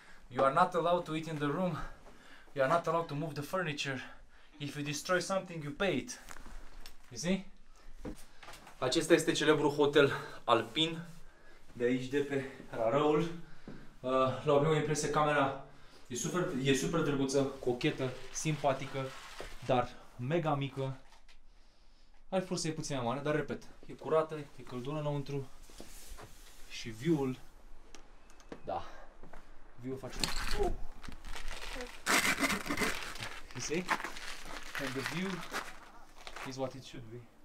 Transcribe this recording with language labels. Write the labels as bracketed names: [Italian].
[English] You are not allowed to eat in the room. You are not allowed to move the furniture. If you destroy something, you pay it. You see? [Romanian] Acesta este celebrul hotel alpin de aici, de pe Rarăul. La o primă impresie, camera e super, e super drăguță, cochetă, simpatică, dar mega mică. Ar fi fost să iei puțin mai mare, dar repet, e curată, e căldură înăuntru și view-ul, da, view-ul face... [English] You see? And the view is what it should be.